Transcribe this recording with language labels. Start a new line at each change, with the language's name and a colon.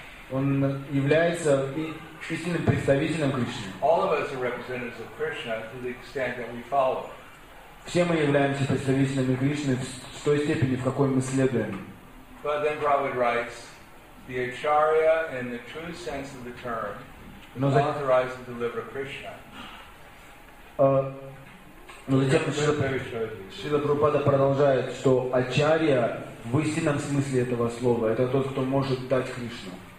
Russian: Он является истинным представителем Кришны.
English: All of us are representatives of Krishna to the extent that we follow.
Russian: Все мы являемся представителями Кришны в той степени, в какой мы следуем.
English: But then Prabhupada writes, the acharya in the true sense of the term is authorized to deliver Krishna.
Russian: Но затем Шрила Прабхупада продолжает, что ачарья в истинном смысле этого слова — это тот, кто может дать Кришну.